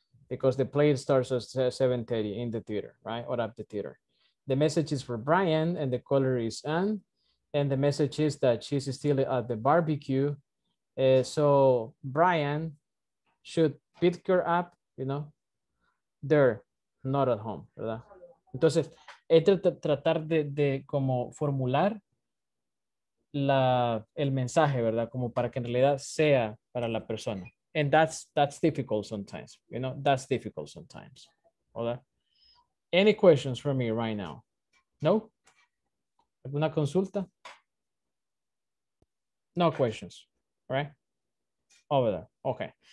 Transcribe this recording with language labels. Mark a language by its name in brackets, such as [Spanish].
[English] because the play starts at 7:30 in the theater, right, or at the theater. The message is for Brian, and the caller is Anne, and the message is that she's still at the barbecue. So Brian should pick her up, you know, they're not at home, ¿verdad? [Spanish] Entonces, es tratar de como formular el mensaje, ¿verdad? Como para que en realidad sea para la persona. [English] And that's difficult sometimes, you know, that's difficult sometimes, ¿verdad? Any questions for me right now? No? [Spanish] ¿Alguna consulta? [English] No questions, right? Over there. Okay.